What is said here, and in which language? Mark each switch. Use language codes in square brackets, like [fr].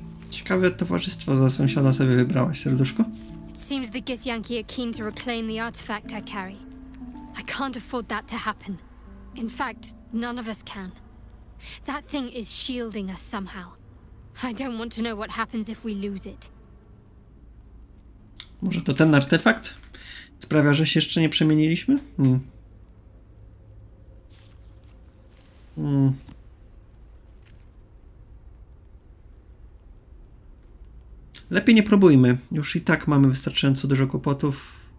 [pl] Ciekawe towarzystwo za sąsiada sobie wybrałaś, serduszko. [en] It seems the Githyanki are keen to reclaim the artifact I carry. I can't afford that to happen. In fact, none of us can. That thing is shielding us somehow. I don't want to know what happens if we lose it. [pl] Może to ten artefakt sprawia, że się jeszcze nie przemieniliśmy? Lepiej nie próbujmy. Już i tak mamy wystarczająco dużo kłopotów.